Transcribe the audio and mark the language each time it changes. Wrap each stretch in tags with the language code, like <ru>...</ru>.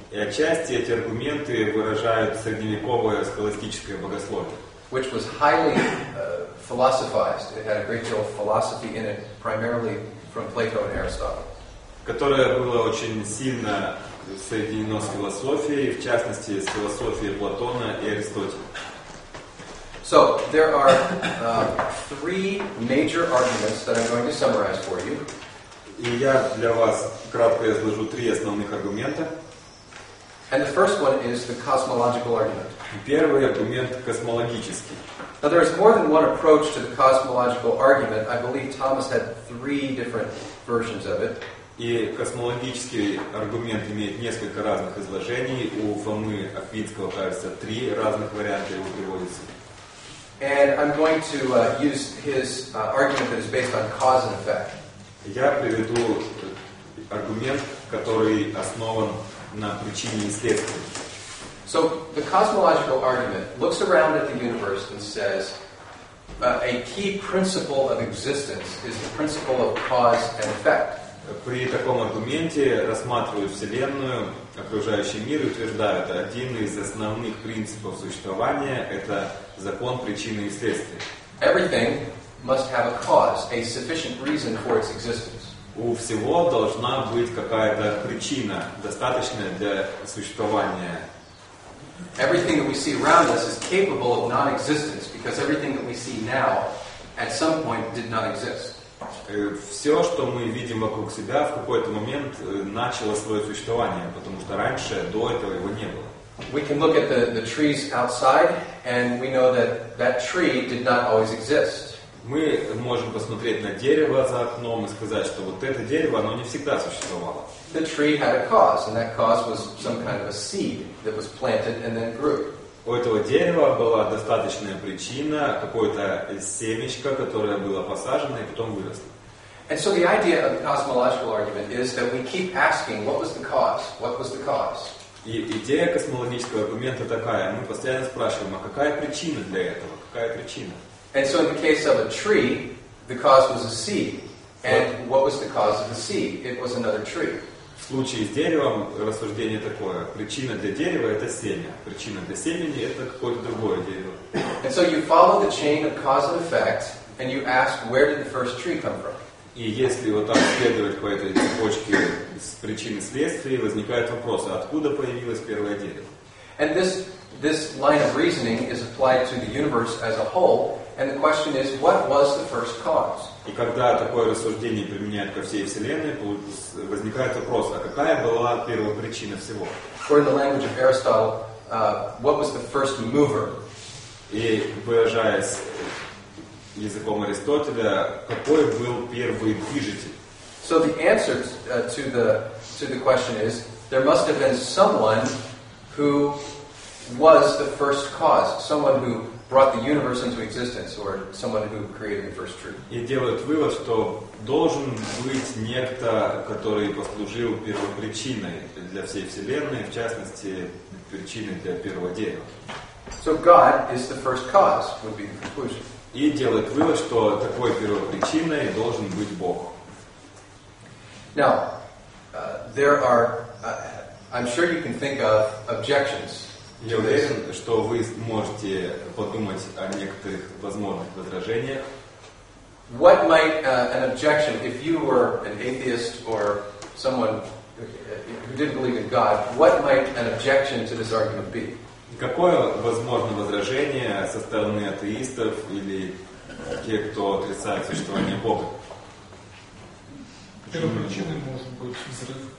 <ru>И отчасти эти аргументы выражают средневековое схоластическое богословие.</ru> <en>Which was highly philosophized. It had a great deal of philosophy in it, primarily from Plato and Aristotle.</en> <ru>Которое было очень сильно соединено с философией, в частности, с философией Платона и Аристотеля.</ru> <en>So, there are three major arguments that I'm going to summarize for you.</en> <ru>И я для вас кратко изложу три основных аргумента.</ru> <en>And the first one is the cosmological argument.</en> <ru>Первый аргумент космологический.</ru> <en>Now, there is more than one approach to the cosmological argument. I believe Thomas had three different versions of it.</en> <ru>И космологический аргумент имеет несколько разных изложений. У Фомы Аквинского, кажется, три разных варианта его приводится.</ru> <en>And I'm going to use his argument that is based on cause and effect.</en> <ru>Я приведу аргумент, который основан на причине и следствии.</ru> <en>So the cosmological argument looks around at the universe and says a key principle of existence is the principle of cause and effect.</en> <ru>При таком аргументе рассматривают Вселенную, окружающий мир и утверждают, один из основных принципов существования — это закон причины и следствия.</ru> <en>Everything must have a cause, a sufficient reason for its existence.</en> <ru>У всего должна быть какая-то причина, достаточная для существования.</ru> <en>Everything that we see around us is capable of non-existence because everything that we see now at some point did not exist.</en> <ru>Все, что мы видим вокруг себя, в какой-то момент начало свое существование, потому что раньше, до этого его не было.</ru> <en>We can look at the trees outside, and we know that that tree did not always exist.</en> <ru>Мы можем посмотреть на дерево за окном и сказать, что вот это дерево, оно не всегда существовало.</ru> <en>The tree had a cause, and that cause was some kind of a seed that was planted and then grew.</en> <ru>У этого дерева была достаточная причина, какое-то семечко, которое было посажено и потом выросло.</ru> <en>And so the idea of the cosmological argument is that we keep asking, what was the cause? What was the cause?</en> <ru>И идея космологического аргумента такая: мы постоянно спрашиваем, а какая причина для этого? Какая причина?</ru> <en>And so in the case of a tree, the cause was a seed. And what was the cause of the seed? It was another tree.</en> <ru>В случае с деревом рассуждение такое: причина для дерева — это семя, причина для семени — это какое-то другое дерево.</ru> <en>And so you follow the chain of cause and effect, and you ask, where did the first tree come from?</en> <ru>И если вот так следовать по этой цепочке с причины следствия, возникает вопрос: откуда появилось первое дерево?</ru> <en>And this line of reasoning is applied to the universe as a whole, and the question is, what was the first cause?</en> <ru>И когда такое рассуждение применяют ко всей Вселенной, возникает вопрос, а какая была первопричина всего?</ru> <en>Or in the language of Aristotle, what was the first mover?</en> <ru>И выражаясь языком Аристотеля, какой был первый движитель?</ru> <en>So the answer to the question is, there must have been someone who was the first cause, someone who brought the universe into existence, or someone who created the first truth.</en> <ru>И делает вывод, что должен быть некто, который послужил первопричиной для всей Вселенной, в частности, причиной для первого дерева.</ru> <en>So God is the first cause, would be the conclusion.</en> <ru>И делает вывод, что такой первопричиной должен быть Бог.</ru> <en>Now, there are, I'm sure you can think of objections.</en> <ru>Я уверен, что вы можете подумать о некоторых возможных возражениях.</ru> <en>What might an objection, if you were an atheist or someone who didn't believe in God, what might an objection to this argument be?</en> <ru>Какое возможно возражение со стороны атеистов или тех, кто отрицает существование Бога? Первопричиной может быть взрыв.</ru>